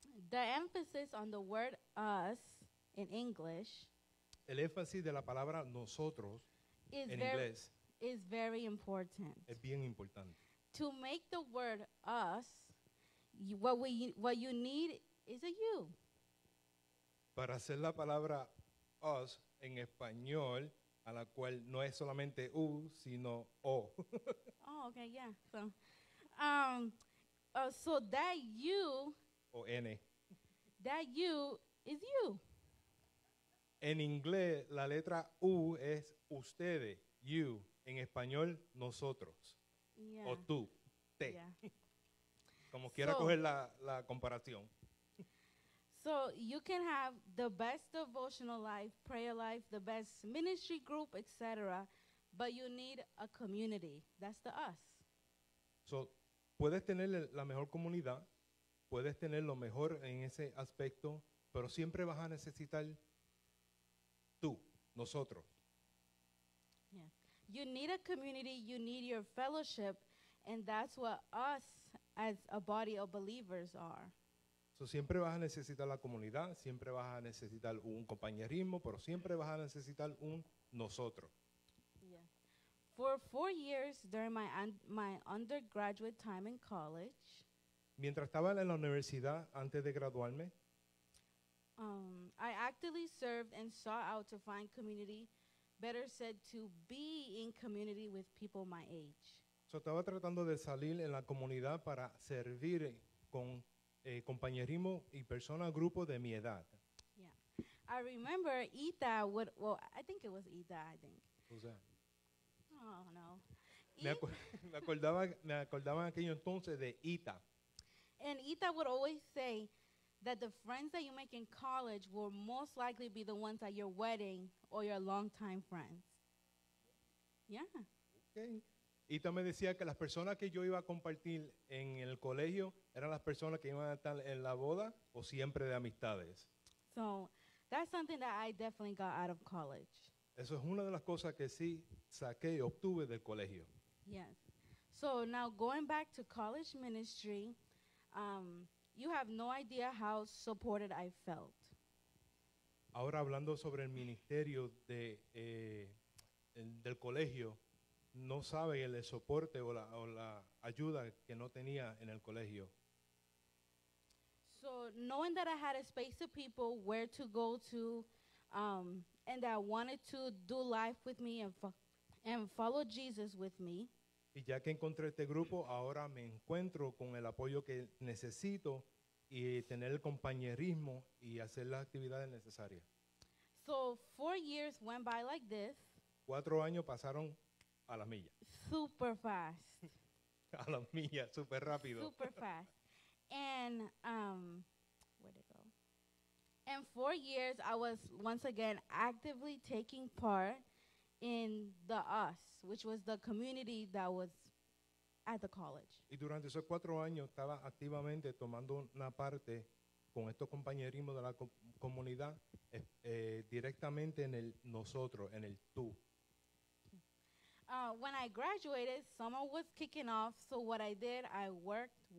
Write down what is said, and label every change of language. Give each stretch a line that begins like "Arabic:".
English: The emphasis on the word us in English.
Spanish: El énfasis de la palabra nosotros
English: is
Spanish: en inglés.
English: Is very important.
Spanish: Es bien importante.
English: To make the word us, what you need is a you.
Spanish: Para hacer la palabra us en español, a la cual no es solamente u, sino o. Oh, okay, yeah.
English: So that you, o N, that you is you.
Spanish: En inglés, la letra U es ustedes, you. En español, nosotros. Yeah. O tú, te. Yeah. Como quiera coger la comparación.
English: So you can have the best devotional life, prayer life, the best ministry group, etc. But you need a community. That's the us.
Spanish: So, puedes tener la mejor comunidad, puedes tener lo mejor en ese aspecto, pero siempre vas a necesitar tú, nosotros. Yeah.
English: You need a community, you need your fellowship, and that's what us as a body of believers are.
Spanish: So, siempre vas a necesitar la comunidad, siempre vas a necesitar un compañerismo, pero siempre vas a necesitar un nosotros.
English: For 4 years during my undergraduate time in college.
Spanish: Mientras estaba en la universidad antes de graduarme.
English: I actively served and sought out to find community, better said to be in community with people my age.
Spanish: So estaba tratando de salir en la comunidad para servir con compañerismo y personas, grupo de mi edad. Yeah.
English: I remember Ita would, well, I think it was Ita, I think. Who's that? Oh, no.
Spanish: Me acordaba aquello entonces de Ita.
English: And Ita would always say that the friends that you make in college will most likely be the ones at your wedding or your longtime friends. Yeah. Okay.
Spanish: Ita me decía que las personas que yo iba a compartir en el colegio eran las personas que iban a estar en la boda o siempre de amistades.
English: So, that's something that I definitely got out of college.
Spanish: Eso es una de las cosas que sí saqué y obtuve del colegio. Yes.
English: So, now going back to college ministry, you have no idea how supported I felt.
Spanish: Ahora hablando sobre el ministerio de del colegio, no sabe el soporte o la ayuda que no tenía en el colegio.
English: So knowing that I had a space of people where to go to, and that wanted to do life with me and follow Jesus with me.
Spanish: Y ya que encontré este grupo, ahora me encuentro con el apoyo que necesito y tener el compañerismo y hacer las actividades necesarias.
English: So 4 years went by like this.
Spanish: 4 años pasaron a la milla.
English: Super fast.
Spanish: A la milla, super rápido.
English: Super fast. And where'd it go? And 4 years I was once again actively taking part in the US, which was the community that was at the college.
Spanish: Y durante esos 4 años estaba activamente tomando una parte con estos compañerismos de la comunidad directamente en el nosotros, en el tú.
English: When I graduated, summer was kicking off, so what I did, I worked.